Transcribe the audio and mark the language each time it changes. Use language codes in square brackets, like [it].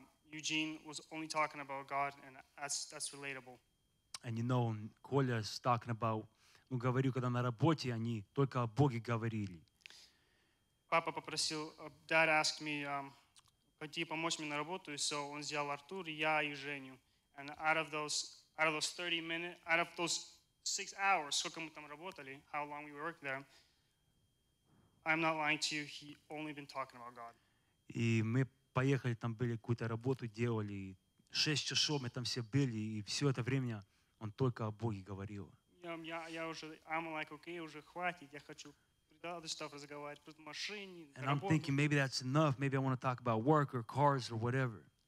[en] Eugene was only talking about God, and that's relatable. And you know, Коля is talking about. [ru] Ну говорю, когда на работе они только о Боге говорили. Папа попросил, [en] dad asked me, [ru] пойти помочь мне на работу, и so он взял Артур, я и Женю. [en] And out of those 30 minutes, out of those 6 hours, [ru] сколько мы там работали, [en] how long we worked there, I'm not lying to you, he only been talking about God. [ru] И мы поехали, там были какую-то работу делали, 6 часов мы там все были, и все это время он только о Боге говорил. Я уже, [en] I'm like, okay, [ru] уже хватит, я хочу. [en] And I'm thinking maybe that's enough. Maybe I want to talk about work or cars or whatever.